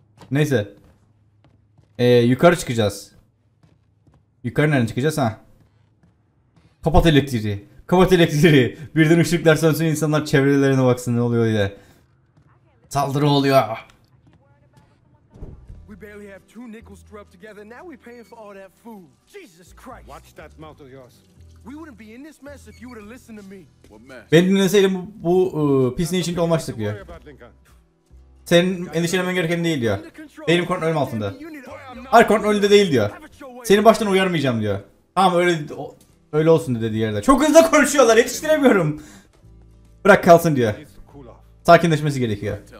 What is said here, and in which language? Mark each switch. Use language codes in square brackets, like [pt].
[tr] Neyse. Yukarı çıkacağız. Yukarı nereden çıkacağız ha? Kapat elektriği. Kapat elektriği. Birden ışıklar sönsün, insanlar çevrelerine baksın ne oluyor diye. Saldırı oluyor. [en] We barely have two nickels to rub together. Now we paying for all that food. Jesus Christ. Watch that mouth of yours. We wouldn't be in this mess if you would have listened to me. [tr] Ben dinleseydim bu pisliğin içinde olmazdık diyor. Senin endişelenmen gereken değil diyor. Benim kontrolüm altında. Her kontrolünde değil diyor. Seni baştan uyarmayacağım diyor. Tamam, öyle öyle olsun dedi yerde. Çok hızlı konuşuyorlar, yetiştiremiyorum. Bırak kalsın diyor. Sakinleşmesi gerekiyor.